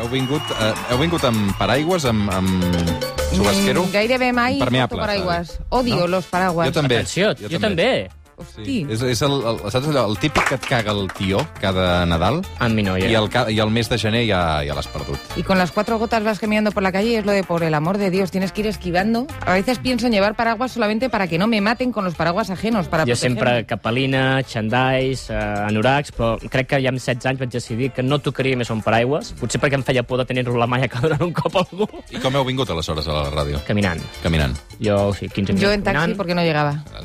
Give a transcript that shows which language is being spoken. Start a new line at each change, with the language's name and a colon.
Catalan: Heu vingut amb paraigües, amb chubasquero? Gairebé mai porto paraigües.
Spanish: Odio los
Catalan: paraigües. Jo també. Atenció, jo també. Sí. És el típic que et caga el tió cada Nadal. En mi noia. I el mes de gener ja l'has perdut.
Spanish: Y con las cuatro gotas vas caminando por la calle y es lo de, por el amor de Dios, tienes que ir esquivando. A veces pienso en llevar paraguas solamente para que no me maten con los paraguas ajenos.
Catalan: Jo sempre capelina, xandalls, anoracs, però crec que ja amb 16 anys vaig decidir que no tocaria més un paraigües, potser perquè em feia por de tenir-ho la mà i acabar donant un cop a algú. I com heu vingut aleshores a la ràdio? Caminant. Jo, o sigui, 15 minuts. Jo en taxi, perquè no llegava.